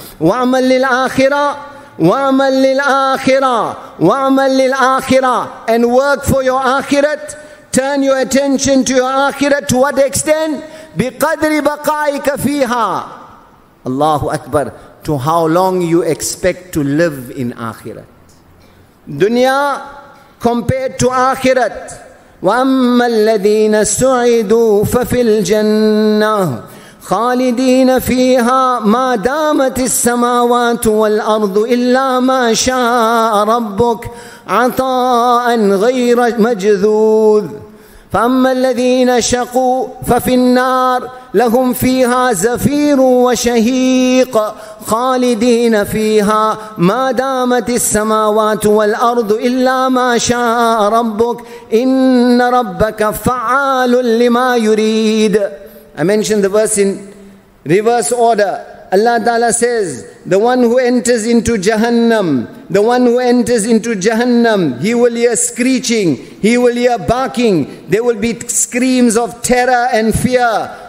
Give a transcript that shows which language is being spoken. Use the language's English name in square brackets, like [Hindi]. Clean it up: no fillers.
[Arabic] وَعْمَلْ لِلْآخِرَةِ وَعْمَلْ لِلْآخِرَةِ وَعْمَلْ لِلْآخِرَةِ [English] And work for your akhirat. Turn your attention to your akhirat. To what extent? [Arabic] بِقَدْرِ بَقَائِكَ فِيهَا Allahu Akbar. [English] To how long you expect to live in akhirat. Dunya compared to akhirat. [Arabic] وَأَمَّا الَّذِينَ سُعِدُوا فَفِي الْجَنَّةِ خالدين فيها ما دامت السماوات والأرض إلا ما شاء ربك عطاء غير مجذوذ فأما الذين شقوا ففي النار لهم فيها زفير وشهيق خالدين فيها ما دامت السماوات والأرض إلا ما شاء ربك إن ربك فعال لما يريد. [English] I mentioned the verse in reverse order. Allah Ta'ala says, the one who enters into Jahannam, the one who enters into Jahannam, he will hear screeching, he will hear barking, there will be screams of terror and fear.